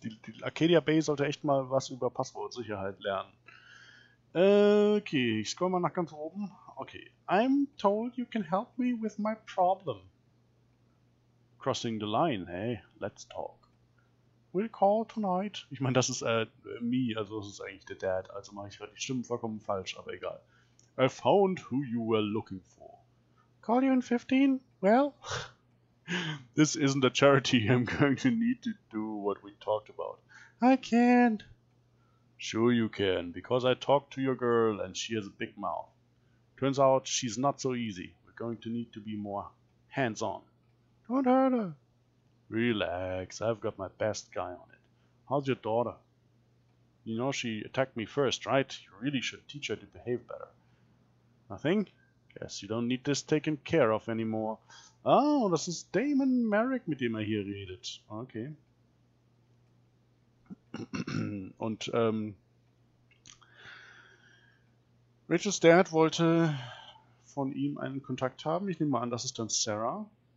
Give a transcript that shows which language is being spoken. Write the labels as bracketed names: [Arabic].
[German] Die Arcadia Bay sollte echt mal was über Passwortsicherheit lernen. Okay, ich scroll mal nach ganz oben. Okay. [English] I'm told you can help me with my problem. Crossing the line, hey, let's talk. We'll call tonight. [German] Ich meine, das ist me, also das ist eigentlich der Dad. Also mache ich gerade die Stimmen vollkommen falsch, aber egal. [English] I found who you were looking for. Call you in 15? Well... This isn't a charity. I'm going to need to do what we talked about. I can't. Sure you can, because I talked to your girl and she has a big mouth. Turns out she's not so easy. We're going to need to be more hands-on. Don't hurt her. Relax, I've got my best guy on it. How's your daughter? You know she attacked me first, right? You really should teach her to behave better. Nothing? Guess you don't need this taken care of anymore. [German] Oh, das ist Damon Merrick, mit dem er hier redet. Okay. Und, Rachel's Dad wollte von ihm einen Kontakt haben. Ich nehme mal an, das ist dann Sarah.